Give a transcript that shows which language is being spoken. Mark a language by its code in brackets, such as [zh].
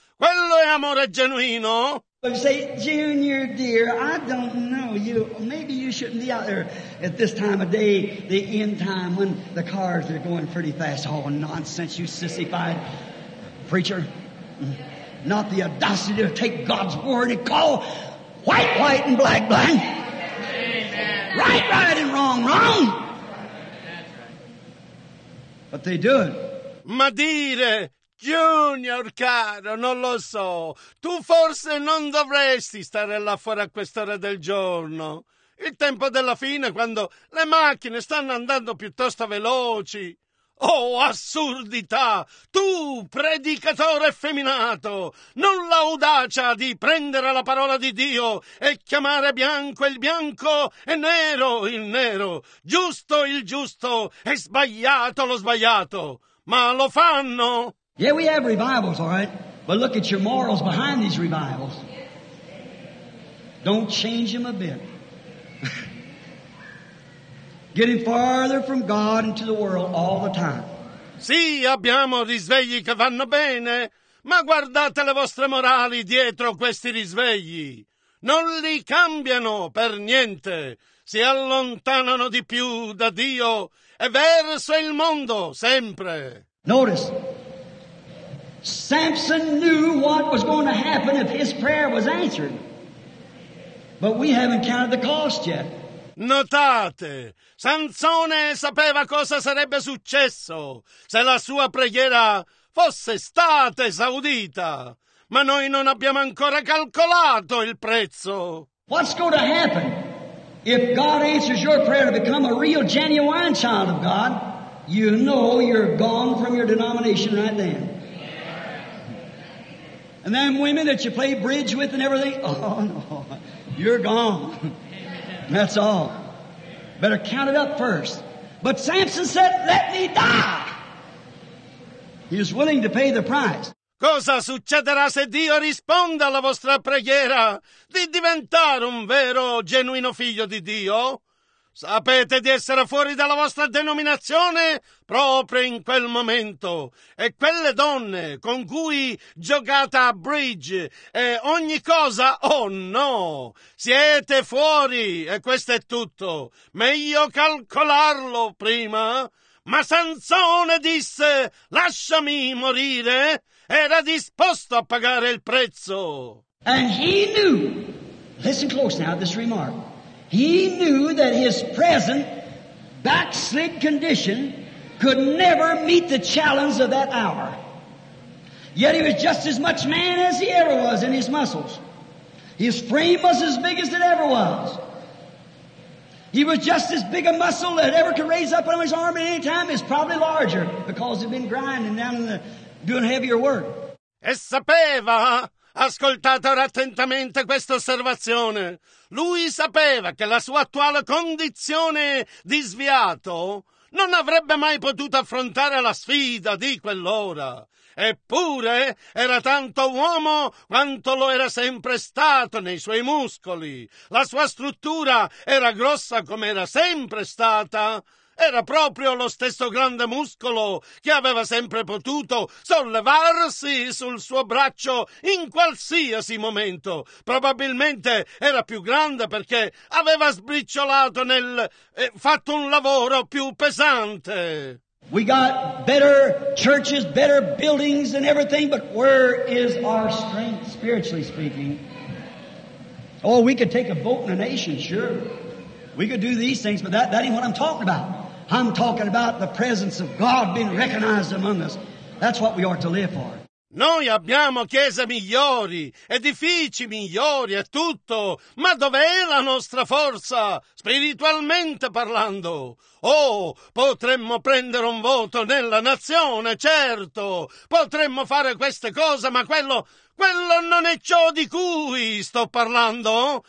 [it] Quello è amore genuino. [en] But you say, Junior, dear, I don't know you. Maybe you shouldn't be out there at this time of day, the end time, when the cars are going pretty fast. Oh, nonsense, you sissified preacher. Not the audacity to take God's word and call white, white, and black, black. Amen. Right, right, and wrong, wrong. But they do it. [it] Ma dire... Junior, caro, non lo so. Tu forse non dovresti stare là fuori a quest'ora del giorno. Il tempo della fine, quando le macchine stanno andando piuttosto veloci. Oh, assurdità! Tu, predicatore effeminato, non l'audacia di prendere la parola di Dio e chiamare bianco il bianco e nero il nero, giusto il giusto e sbagliato lo sbagliato. Ma lo fanno? [en] Yeah, we have revivals, all right? But look at your morals behind these revivals. Don't change them a bit. Getting farther from God into the world all the time. [it] Sì, abbiamo risvegli che vanno bene, ma guardate le vostre morali dietro questi risvegli. Non li cambiano per niente. Si allontanano di più da Dio e verso il mondo, sempre. [en] Notice. Samson knew what was going to happen if his prayer was answered. But we haven't counted the cost yet. [it] Notate, Sansone sapeva cosa sarebbe successo se la sua preghiera fosse stata esaudita. Ma noi non abbiamo ancora calcolato il prezzo. [en] What's going to happen if God answers your prayer to become a real, genuine child of God? You know you're gone from your denomination right then. And them women that you play bridge with and everything, oh no, you're gone. That's all. Better count it up first. But Samson said, let me die. He was willing to pay the price. [it] Cosa succederà se Dio risponde alla vostra preghiera di diventare un vero, genuino figlio di Dio? Sapete di essere fuori dalla vostra denominazione proprio in quel momento. E quelle donne con cui giocate a bridge e ogni cosa, oh no, siete fuori e questo è tutto. Meglio calcolarlo prima. Ma Sansone disse, lasciami morire. Era disposto a pagare il prezzo. [en] And he knew. Listen close now to this remark. He knew that his present backslid condition could never meet the challenge of that hour. Yet he was just as much man as he ever was in his muscles. His frame was as big as it ever was. He was just as big a muscle that ever could raise up on his arm at any time. It's probably larger because he'd been grinding down in the doing heavier work. [it] E sapeva, Ascoltate ora attentamente questa osservazione. Lui sapeva che la sua attuale condizione di sviato non avrebbe mai potuto affrontare la sfida di quell'ora. Eppure era tanto uomo quanto lo era sempre stato nei suoi muscoli. La sua struttura era grossa come era sempre stata. Era proprio lo stesso grande muscolo che aveva sempre potuto sollevarsi sul suo braccio in qualsiasi momento. Probabilmente era più grande perché aveva sbriciolato nel fatto un lavoro più pesante. [en] We got better churches, better buildings and everything, but where is our strength, spiritually speaking? Oh, we could take a vote in a nation, sure. We could do these things, but that ain't what I'm talking about. I'm talking about the presence of God being recognized among us. That's what we are to live for. [it] Noi abbiamo chiese migliori, edifici migliori e tutto, ma dov'è la nostra forza, spiritualmente parlando? Oh, potremmo prendere un voto nella nazione, certo, potremmo fare queste cose, ma quello non è ciò di cui sto parlando.